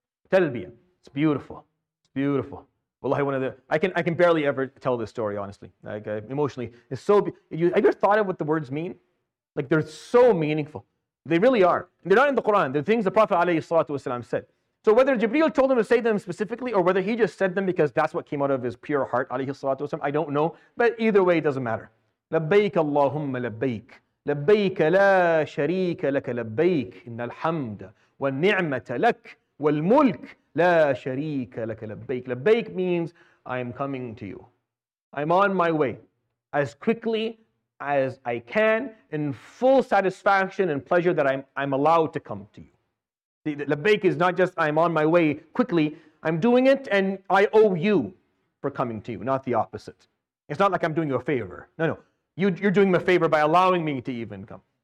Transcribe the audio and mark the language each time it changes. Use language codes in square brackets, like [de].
[en] Talbiyah, it's beautiful. It's beautiful. Wallahi, I can barely ever tell this story, honestly. Emotionally, it's so. Have you ever thought of what the words mean? Like, they're so meaningful. They really are. They're not in the Quran. They're things the Prophet ﷺ said. So whether Jibreel told him to say them specifically or whether he just said them because that's what came out of his pure heart, ﷺ, I don't know. But either way, it doesn't matter. [ar] لبيك اللهم لبيك لبيك لا شريك لك لبيك إن الحمد والنعمة لك والملك لا شريك لك لبيك. [en] لبيك means I am coming to you. I'm on my way as quickly as I can in full satisfaction and pleasure that I'm allowed to come to you. The lebayk is not just I'm on my way quickly. I'm doing it and I owe you for coming to you, not the opposite. It's not like I'm doing you a favor. No. You're doing me a favor by allowing me to even come.